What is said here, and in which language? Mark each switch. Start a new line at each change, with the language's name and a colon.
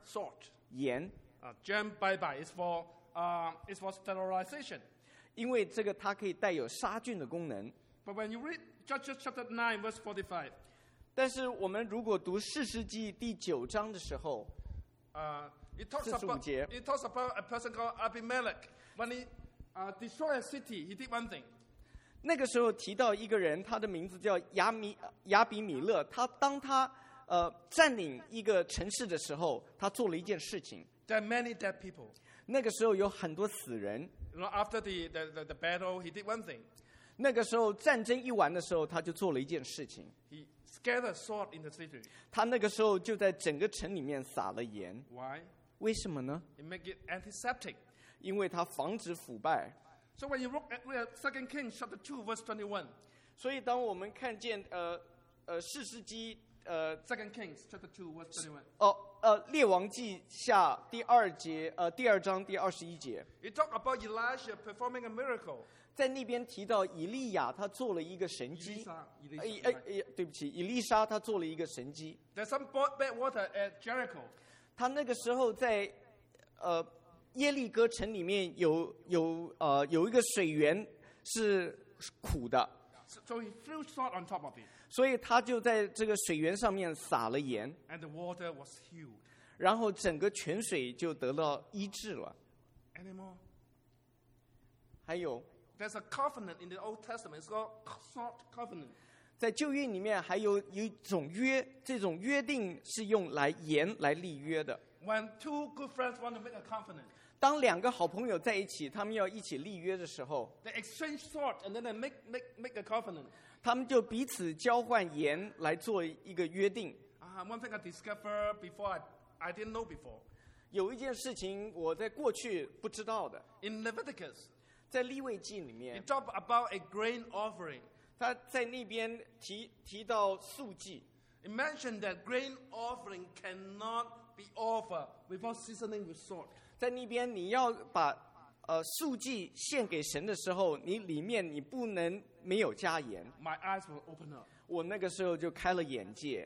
English: Salt.
Chinese: 盐。
English: Germ bye-bye is for, it's for sterilization.
Chinese: 因为这个它可以带有杀菌的功能。
English: But when you read Judges chapter 9 verse 45,
Chinese: 但是我们如果读士师记第九章的时候，
English: It talks about a person called Abimelech. When he destroyed a city, he did one thing.
Chinese: 那个时候提到一个人，他的名字叫亚比米勒。他当他占领一个城市的时候，他做了一件事情。
English: There are many dead people.
Chinese: 那个时候有很多死人。
English: You know, after the battle, he did one thing.
Chinese: 那个时候战争一完的时候，他就做了一件事情。
English: He scattered salt in the city.
Chinese: 他那个时候就在整个城里面撒了盐。
English: Why?
Chinese: 为什么呢？
English: It make it antiseptic.
Chinese: 因为他防止腐败。
English: So when you look at 2 Kings chapter 2 verse 21,
Chinese: 所以当我们看见士师记
English: 2 Kings chapter 2 verse 21.
Chinese: 列王记下第二节第二章第二十一节。
English: It talk about Elijah performing a miracle.
Chinese: 在那边提到以利亚他做了一个神迹。以利沙他做了一个神迹。
English: There's some bad water at Jericho.
Chinese: 他那个时候在耶利哥城里面有一个水源是苦的。
English: So he threw salt on top of it.
Chinese: 所以他就在这个水源上面撒了盐。
English: And the water was healed.
Chinese: 然后整个泉水就得到医治了。
English: Anymore?
Chinese: 还有。
English: There's a covenant in the Old Testament. It's called salt covenant.
Chinese: 在旧约里面还有一种约，这种约定是用来盐来立约的。
English: When two good friends want to make a covenant,
Chinese: 当两个好朋友在一起，他们要一起立约的时候
English: ，they exchange salt and then they make a covenant.
Chinese: 他们就彼此交换盐来做一个约定。
English: One thing I discovered before I didn't know before.
Chinese: 有一件事情我在过去不知道的。
English: In Leviticus,
Chinese: 在利未记里面
English: ，it talked about a grain offering.
Chinese: 他在那边提到素祭。
English: It mentioned that grain offering cannot be offered without seasoning with salt.
Chinese: 在那边你要把素祭献给神的时候，你里面你不能没有加盐。
English: My eyes were opened up.
Chinese: 我那个时候就开了眼界。